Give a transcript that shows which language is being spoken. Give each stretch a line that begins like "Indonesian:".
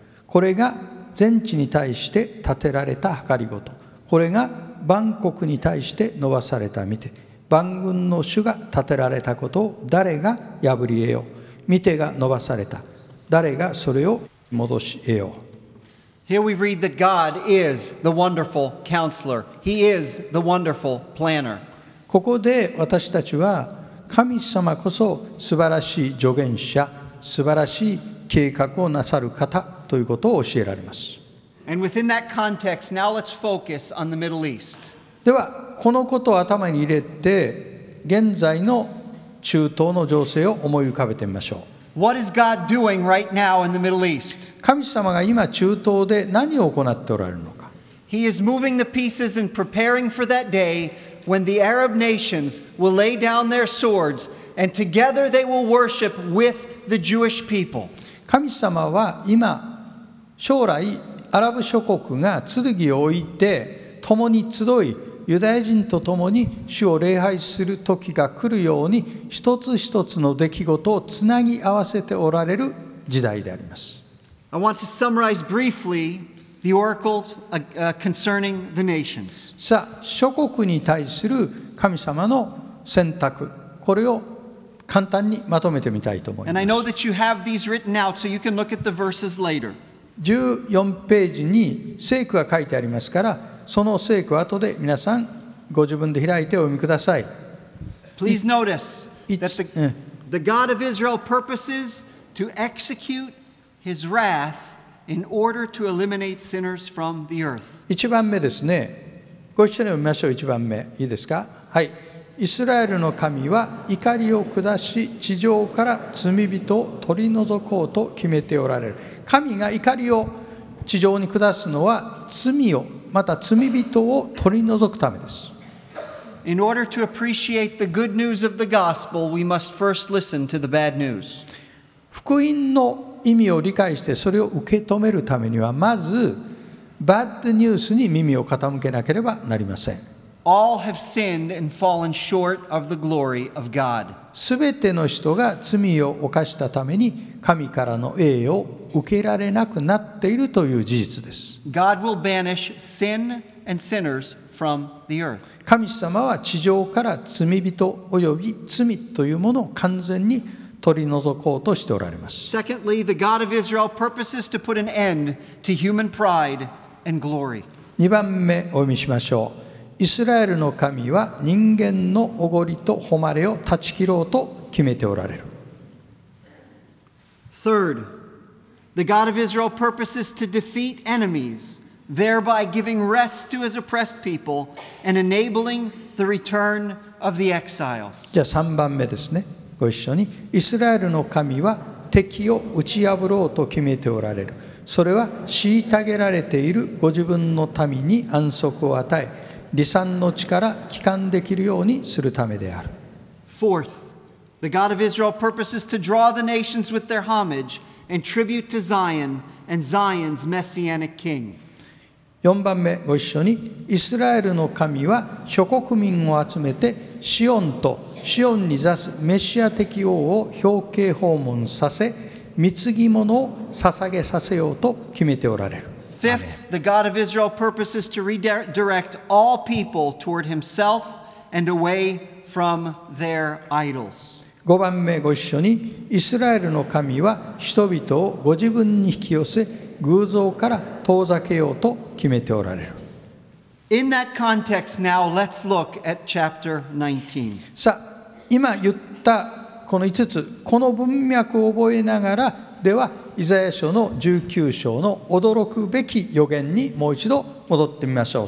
Japanese: これが全地に対して立てられた計りごと、これが万国に対して伸ばされた御手、万軍の主が立てられたことを誰が破り得よう、御手が伸ばされた誰がそれを戻し得よう。
English: Here we read that God is the wonderful counselor. He is the wonderful planner.
Japanese: ここで私たちは神様こそ素晴らしい助言者、素晴らしい計画をなさる方ということを教えられます。
English: And within that context, now let's focus on the Middle East.
Japanese: ではこのことを頭に入れて現在の中東の情勢を思い浮かべてみましょう。
English: What is God doing right now in the Middle East?
Japanese: 神様が今中東で何を行っておられるのか。
English: He is moving the pieces and preparing for that day when the Arab nations will lay down their swords and together they will worship with the Jewish people.
Japanese: 神様は今将来アラブ諸国が剣を置いて共に集いユダヤ人と共に主を礼拝する時が来るように一つ一つの出来事をつなぎ合わせておられる時代であります。
English: I want to summarize briefly the oracle concerning the nations.
Japanese: さあ諸国に対する神様の選択、これを簡単にまとめてみたいと思います。
English: And I know that you have these written out so you can look at the verses later.
Japanese: 14ページに聖句が書いてありますから、その聖句は後で皆さんご自分で開いてお読みください。
English: Please notice that the God of Israel purposes to execute his wrath in order to eliminate sinners from the earth.
Japanese: 1番目ですね、ご一緒に読みましょう。1番目いいですか。はい。イスラエルの神は怒りを下し地上から罪人を取り除こうと決めておられる。神が怒りを地上に下すのは罪を、また罪人を取り除くためです。
English: In order to appreciate the good news of the gospel, we must first listen to the bad news.
Japanese: 福音の意味を理解してそれを受け止めるためには、まず、
English: bad news
Japanese: に耳を傾けなければなりません。
English: All have sinned and fallen short of the glory of God.
Japanese: すべての人が罪を犯したために、神からの栄誉を受けられなくなっているという事実です。
English: God will banish sin and sinners from the earth.
Japanese: 神様は地上から罪人および罪というものを完全に取り除こうとしておられます。
English: Secondly, the God of Israel purposes to put an end to human pride and glory.
Japanese: 2番目お読みしましょう。イスラエルの神は人間のおごりと誉れを断ち切ろうと決めておられる。
English: Third, the God of Israel purposes to defeat enemies, thereby giving rest to his oppressed people and enabling the return of the exiles.
Japanese: じゃあ3番目ですね。ご一緒に。イスラエルの神は敵を打ち破ろうと決めておられる。それは虐げられているご自分の民に安息を与え、離散の地から帰還できるようにするためである。
English: Fourth,The God of Israel purposes to draw the nations with their homage and tribute to Zion and Zion's messianic king.
Japanese: 4番目ご一緒に。イスラエルの神は諸国民を集めてシオンとシオンに座すメシア的王を表敬訪問させ、貢ぎ物を捧げさせようと決めておられる。
English: Fifth, the God of Israel purposes to redirect all people toward himself and away from their idols.
Japanese: 5番目ご一緒に。イスラエルの神は人々をご自分に引き寄せ偶像から遠ざけようと決めておられる。
English: In that context, now let's look at chapter 19.
Japanese: さあ今言ったこの5つ、この文脈を覚えながら、ではイザヤ書の19章の驚くべき予言にもう一度戻ってみましょう。